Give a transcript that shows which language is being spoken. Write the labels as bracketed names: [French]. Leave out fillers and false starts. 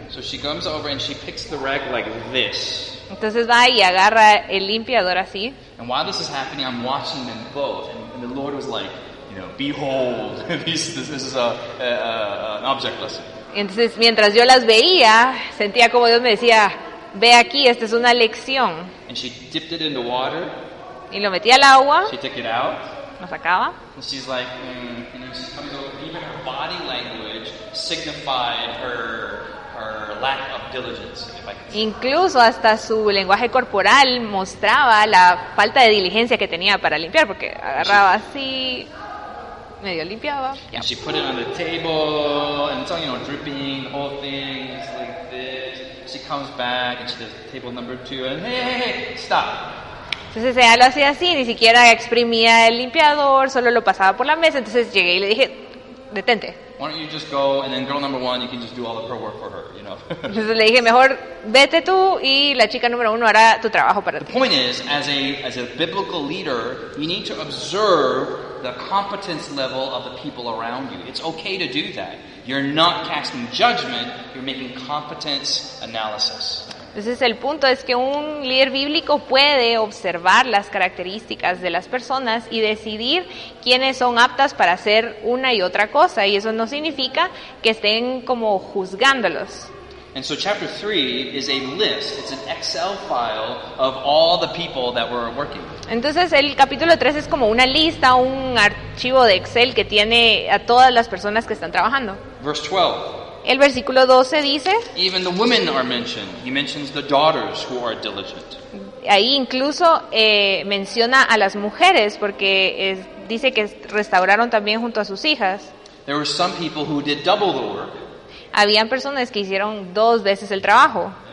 [English] So she comes over and she picks the rag like this. [Spanish] Entonces va y agarra el limpiador así. [English] And while this is happening, I'm watching them both, and the Lord was like, you know, behold, this is an object lesson. [Spanish] Entonces, mientras yo las veía, sentía como Dios me decía, ve aquí, esta es una lección. [English] And she dipped it in the water. [Spanish] Y lo metía al agua. [English] She took it out. [Spanish] Lo sacaba. [English] And she's like, even her body language signified her lack of diligence. [Spanish] Incluso hasta su lenguaje corporal mostraba la falta de diligencia que tenía para limpiar, porque agarraba así, medio limpiaba. [English] And she put it on the table and it's all, you know, dripping, the whole thing is like this. She comes back and she does table number two and hey, stop. [Spanish] Entonces ella lo hacía así, ni siquiera exprimía el limpiador, solo lo pasaba por la mesa. Entonces llegué y le dije, detente. [English] Why don't you just go and then girl number one, you can just do all the pro work for her, you know. [Spanish] Entonces le dije, mejor vete tú y la chica número uno hará tu trabajo para ti. [English] The point is, as a biblical leader, you need to observe the competence level of the people around you. It's okay to do that. You're not casting judgment, you're making competence analysis. [Spanish] Entonces el punto es que un líder bíblico puede observar las características de las personas y decidir quiénes son aptas para hacer una y otra cosa, y eso no significa que estén como juzgándolos. [English] And so chapter 3 is a list, it's an Excel file of all the people that were working. [Spanish] Entonces el capítulo 3 es como una lista, un archivo de Excel que tiene a todas las personas que están trabajando. [English] Verse 12. [Spanish] El versículo 12 dice, [English] even the women are mentioned. He mentions the daughters who are diligent. [Spanish] Ahí incluso menciona a las mujeres porque dice que restauraron también junto a sus hijas. [English] There were some people who did double the work. [Spanish] Habían personas que hicieron dos veces el trabajo.